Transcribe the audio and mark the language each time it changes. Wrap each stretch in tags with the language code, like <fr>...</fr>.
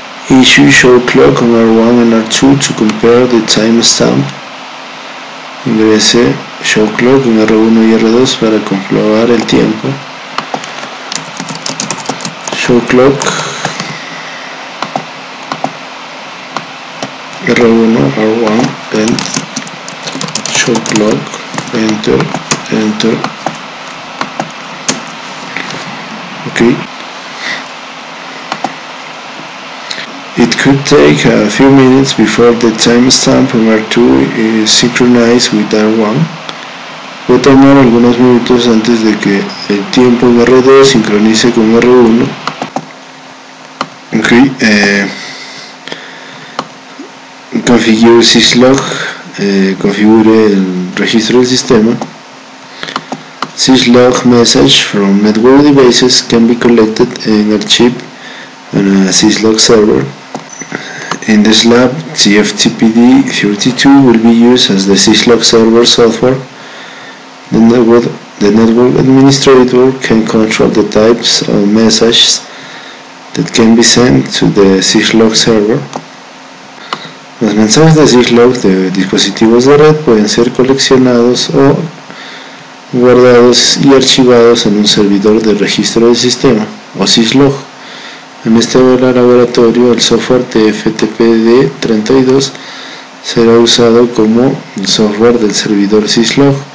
<en>Issue show clock on R1 and R2 to compare the timestamp.</en> <es>Ingrese show clock en R1 y R2 para comprobar el tiempo.</es> <en>Show clock R1, R1, end. Show clock, enter, enter. Ok. It could take a few minutes before the timestamp on R2 is synchronized with R1. Puede tomar algunos minutos antes de que el tiempo en R2 sincronice con R1. Okay. Configure syslog.</en> <es>Configure el registro del sistema.</es> <en>Syslog message from network devices can be collected in a chip on a syslog server. In this lab, TFTPD32 will be used as the syslog server software. The network administrator can control the types of messages that can be sent to the syslog server.</en> <es>Los mensajes de syslog de dispositivos de red pueden ser coleccionados o guardados y archivados en un servidor de registro del sistema o syslog. En este laboratorio, el software TFTPD32 será usado como el software del servidor syslog.</es>